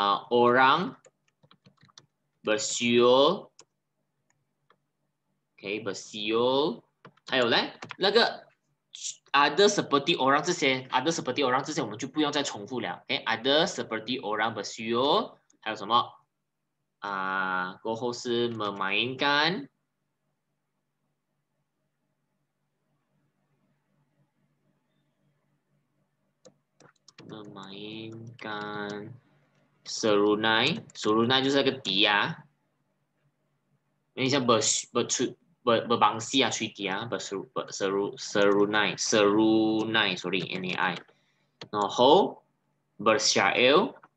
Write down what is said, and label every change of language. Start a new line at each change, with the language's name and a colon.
Malay: Orang bersiul, okay, bersiul.
Chinese: 还有嘞，那个
Malay: ada seperti orang
Chinese: 这些，ada seperti orang 这些，我们就不用再重复了。哎，
Malay: ada seperti orang bersiul，
Chinese: 还有什么？过后是 memainkan，memainkan。 Serunai 就是那个笛啊，有点像 berbangsi 啊，吹笛啊，serunai，sorry，nai，然后 bersyair，